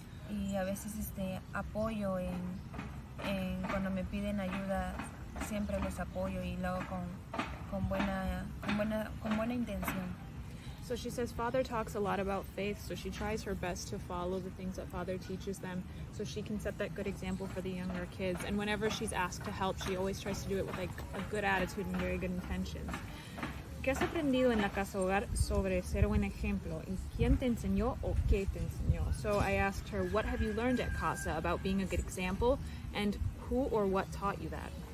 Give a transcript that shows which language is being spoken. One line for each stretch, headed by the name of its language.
Spanish: Y a veces apoyo en cuando me piden ayuda, siempre los apoyo y lo hago con buena intención.
English: So she says father talks a lot about faith, so she tries her best to follow the things that father teaches them so she can set that good example for the younger kids. And whenever she's asked to help, she always tries to do it with like a good attitude and very good intentions.
Spanish: ¿Qué has aprendido en la casa hogar sobre ser buen ejemplo? ¿Y quién te enseñó o qué te enseñó?
English: So I asked her, what have you learned at casa about being a good example and who or what taught you that?